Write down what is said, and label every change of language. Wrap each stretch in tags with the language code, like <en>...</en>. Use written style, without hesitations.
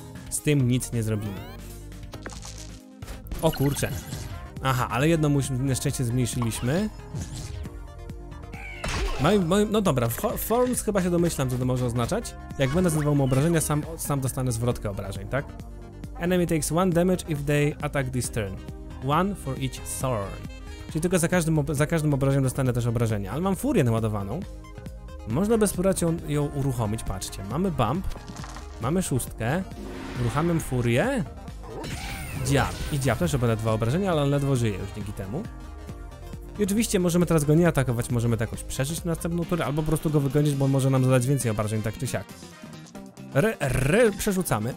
<pl>Z tym nic nie zrobimy. O kurczę. Aha, ale jedno mu na szczęście zmniejszyliśmy. No dobra, Forms chyba się domyślam, co to może oznaczać. Jak będę zadawał mu obrażenia, sam dostanę zwrotkę obrażeń, tak?</pl> <en>Enemy takes one damage if they attack this turn. One for each thorn.</en> <pl>Czyli tylko za każdym obrażeniem dostanę też obrażenie. Ale mam furię naładowaną. Można by spróbować ją uruchomić, patrzcie. Mamy bump. Mamy szóstkę. Uruchamiam furię. Dziab. I dziab też obada dwa obrażenia, ale on ledwo żyje już dzięki temu. I oczywiście możemy teraz go nie atakować, możemy to jakoś przeżyć na następną turę, albo po prostu go wygonić, bo on może nam zadać więcej obrażeń, tak czy siak. Przerzucamy.</pl>